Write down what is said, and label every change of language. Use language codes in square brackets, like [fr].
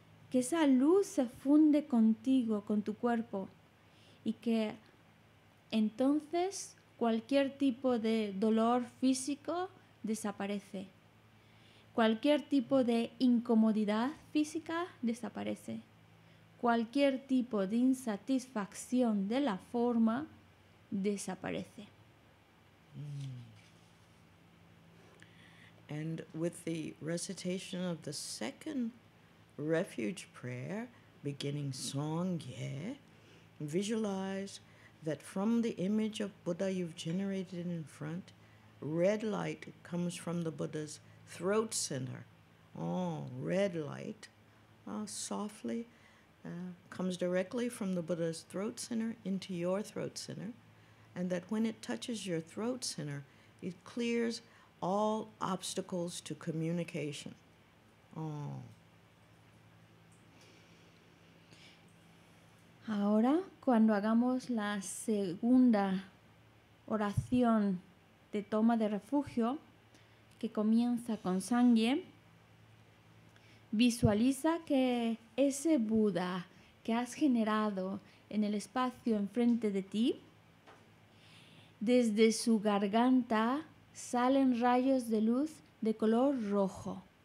[es] Que esa luz se funde contigo, con tu cuerpo, y que entonces cualquier tipo de dolor físico desaparece. Cualquier tipo de incomodidad física desaparece. Cualquier tipo de insatisfacción de la forma desaparece. [en] And with the recitation of the second refuge prayer, beginning Songye, visualize that from the image of Buddha you've generated in front, red light comes from the Buddha's throat center. Oh, red light, softly, comes directly from the Buddha's throat center into your throat center, and that when it touches your throat center, it clears all obstacles to communication. Oh. [es] Ahora, cuando hagamos la segunda oración de toma de refugio, que comienza con Sangye, visualiza que ese Buda que has generado en el espacio enfrente de ti, desde su garganta salen rayos de luz de color rojo.